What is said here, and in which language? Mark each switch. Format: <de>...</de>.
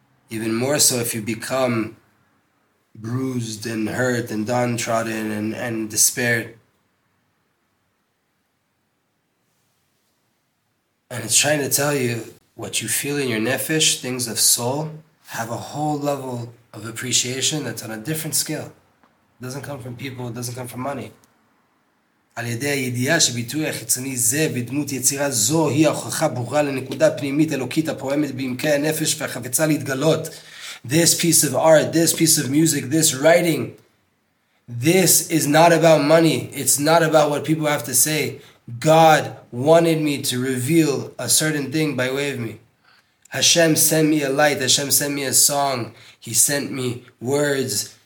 <en>Even more so if you become bruised and hurt and downtrodden and despaired. And it's trying to tell you what you feel in your nefesh, things of soul, have a whole level of appreciation that's on a different scale. It doesn't come from people, it doesn't come from money.</en> <he>על ידי הידיעה שביטוי החיצוני זה בדמות יצירה זו היא ההוכחה ברורה לנקודה פנימית אלוקית הפועמת בעמקי הנפש והחפצה להתגלות.</he> <en>This piece of art, this piece of music, this writing, this is not about money. It's not about what people have to say. God wanted me to reveal a certain thing by way of me. Hashem sent me a light. Hashem sent me a song. He sent me words.</en>